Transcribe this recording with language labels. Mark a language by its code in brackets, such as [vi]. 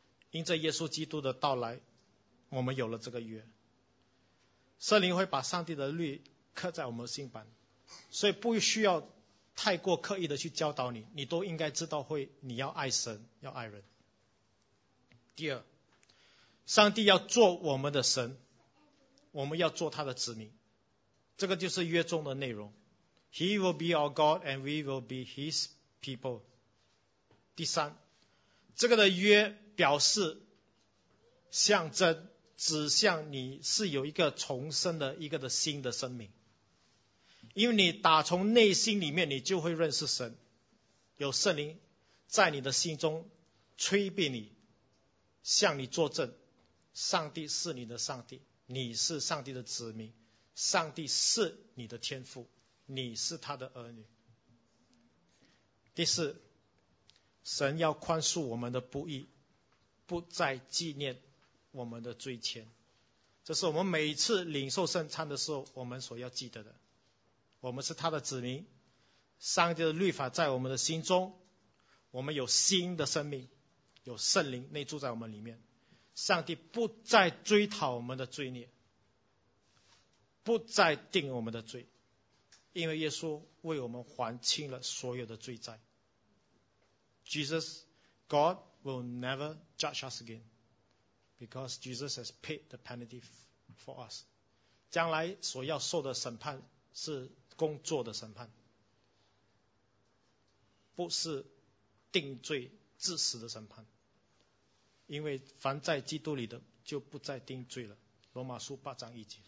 [zh] 因着耶稣基督的到来，我们有了这个约，圣灵会把上帝的律刻在我们心板，所以不需要太过刻意的去教导你，你都应该知道会，你要爱神要爱人。第二，上帝要做我们的神，我们要做他的子民，这个就是约中的内容。 [en] He will be our God and we will be his people。 [zh] 第三，这个的约表示象征指向你是有一个重生的一个的新的生命，因为你打从内心里面你就会认识神，有圣灵在你的心中催逼你，向你作证，上帝是你的上帝，你是上帝的子民，上帝是你的天父，你是他的儿女。第四，神要宽恕我们的不义，不再纪念我们的罪愆，这是我们每次领受圣餐的时候我们所要记得的。我们是他的子民，上帝的律法在我们的心中，我们有新的生命，有圣灵内住在我们里面，上帝不再追讨我们的罪孽，不再定我们的罪，因为耶稣为我们还清了所有的罪债。 [en] Jesus GodWill never judge us again, because Jesus has paid the penalty for us. [zh] 将来所要受的审判是工作的审判，不是定罪致死的审判。因为凡在基督里的就不再定罪了。罗马书8:1。